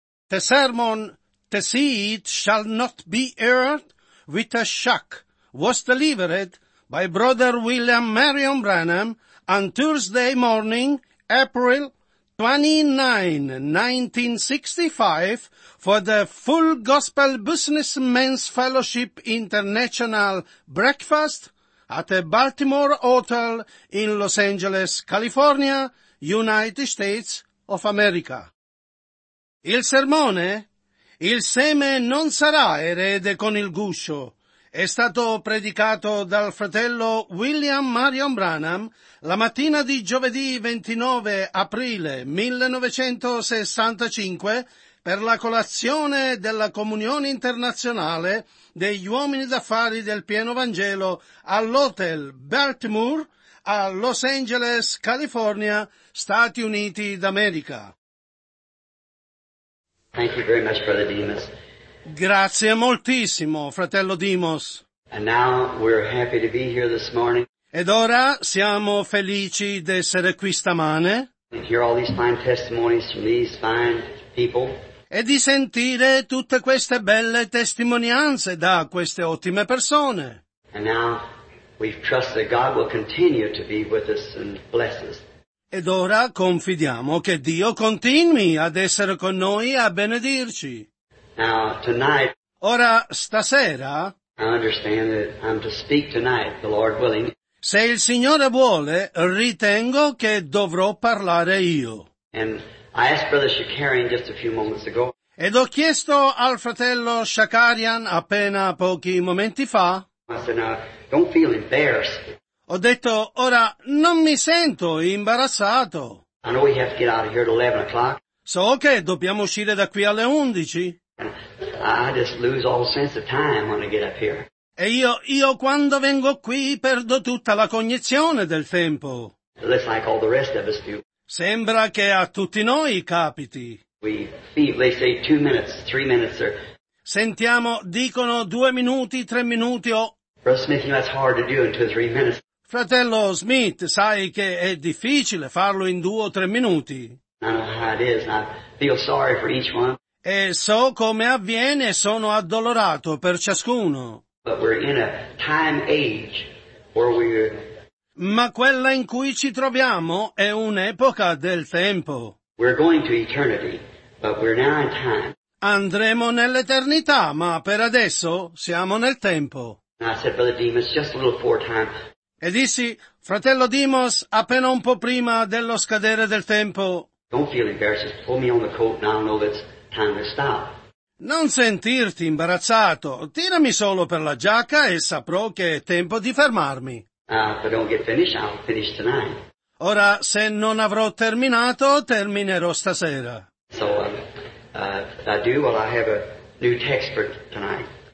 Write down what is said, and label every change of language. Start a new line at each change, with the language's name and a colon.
English: The sermon, "The seed shall not be heard with a shock," was delivered by Brother William Marion Branham on Thursday morning, April 29, 1965, for the Full Gospel Business Men's Fellowship International Breakfast at a Baltimore hotel in Los Angeles, California, United States of America.
Italian: Il sermone, "Il seme non sarà erede con il guscio", è stato predicato dal fratello William Marion Branham la mattina di giovedì 29 aprile 1965 per la colazione della comunione internazionale degli uomini d'affari del pieno Vangelo all'Hotel Baltimore a Los Angeles, California, Stati Uniti d'America.
English: Thank you very much, Brother Demas.
Italian: Grazie moltissimo, fratello Demas.
English: And now we're happy to be here this morning.
Italian: Ed ora siamo felici di essere qui stamane.
English: And hear all these fine testimonies from these fine people.
Italian: E di sentire tutte queste belle testimonianze da queste ottime persone.
English: And now we trust that God will continue to be with us and bless us.
Italian: Ed ora confidiamo che Dio continui ad essere con noi a benedirci.
English: Now, tonight,
Italian: ora stasera,
English: I understand that I'm to speak tonight, the Lord willing.
Italian: Se il Signore vuole, ritengo che dovrò parlare io.
English: And I asked Brother Shakarian just a few moments ago.
Italian: Ed ho chiesto al fratello Shakarian appena pochi momenti fa.
English: I said, now, don't feel embarrassed.
Italian: Ho detto, ora non mi sento imbarazzato.
English: I know we have to get out of here at 11 o'clock.
Italian: So che dobbiamo uscire da qui alle 11.
English: I just lose all sense of time when I get up here.
Italian: E io quando vengo qui perdo tutta la cognizione del tempo.
English: Just like all the rest of us do.
Italian: Sembra che a tutti noi capiti.
English: We feel, they say 2 minutes, 3 minutes, sir.
Italian: Sentiamo, dicono 2 minuti, 3 minuti o...
English: Brother Smith, you know, that's hard to do in 2 or 3 minutes.
Italian: Fratello Smith, sai che è difficile farlo in 2 o 3 minuti.
English: I know how it is. I feel sorry for each one.
Italian: E so come avviene, sono addolorato per ciascuno.
English: But we're in a time age where we...
Italian: Ma quella in cui ci troviamo è un'epoca del tempo.
English: We're going to eternity, but we're now in time.
Italian: Andremo nell'eternità, ma per adesso siamo nel tempo.
English: And I said, Brother Demas, just a little before time.
Italian: E dissi, fratello Demas, appena un po' prima dello scadere del tempo.
English: Don't feel embarrassed. Just pull me on the coat and I'll know that it's time to stop.
Italian: Non sentirti imbarazzato. Tirami solo per la giacca e saprò che è tempo di fermarmi.
English: But don't get finished. I'll finish tonight.
Italian: Ora, se non avrò terminato, terminerò stasera.
English: So, I do, well, I have a new text for tonight.